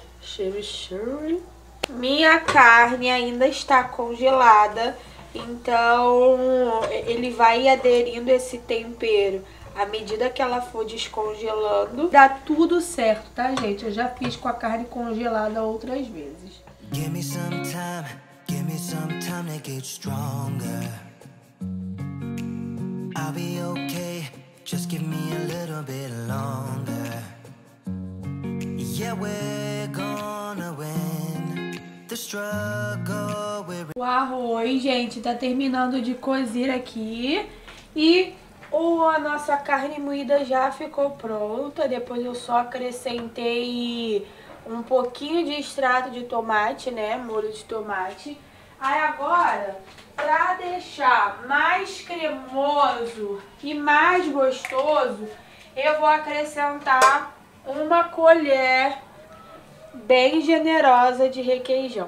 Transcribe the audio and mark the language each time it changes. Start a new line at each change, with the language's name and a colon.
Portuguese: Chimichurri. Minha carne ainda está congelada, então ele vai aderindo esse tempero à medida que ela for descongelando. Dá tudo certo, tá, gente? Eu já fiz com a carne congelada outras vezes.
English: Give me some time, give me some time to get stronger. I'll be okay, just give me a little bit longer. Yeah, we're gonna win the struggle.
Portuguese: We're... O arroz, gente, tá terminando de cozer aqui. E a nossa carne moída já ficou pronta. Depois eu só acrescentei um pouquinho de extrato de tomate, né? Molho de tomate. Aí agora, pra deixar mais cremoso e mais gostoso, eu vou acrescentar uma colher bem generosa de requeijão.